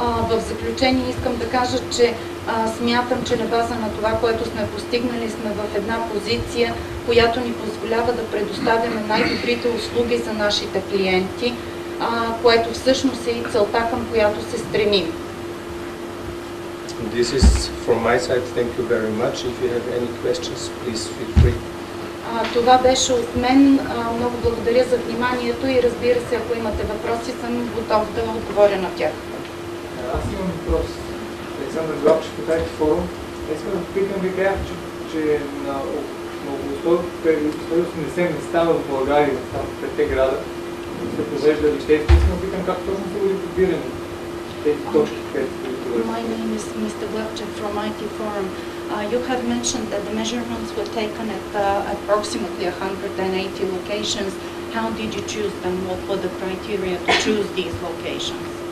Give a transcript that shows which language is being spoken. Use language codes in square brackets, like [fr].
[bg] В заключение искам да кажа, че смятам, че на база на това, което сме постигнали, сме в една позиция, която ни позволява да предоставяме най-добрите услуги за нашите клиенти, което всъщност е и целта, към която се стремим. [en] This is from my side. Thank you very much. If you have any questions, please feel free. [bg] Това беше от мен. Много благодаря за вниманието и разбира се, ако имате въпроси, съм готов да отговоря на тях. Аз имам въпрос. Александър Главчев, питайте форум. Искам да попитам, ви казах, че на около 180 места в България, там в петте града, се провежда ли тези, искам да питам как точно са били подбирани тези точки, където се провежда. [en] My name is Mr. Glavchev from IT Forum. You have mentioned that the measurements were taken at approximately 180 locations. How did you choose them? What were the criteria to choose these locations?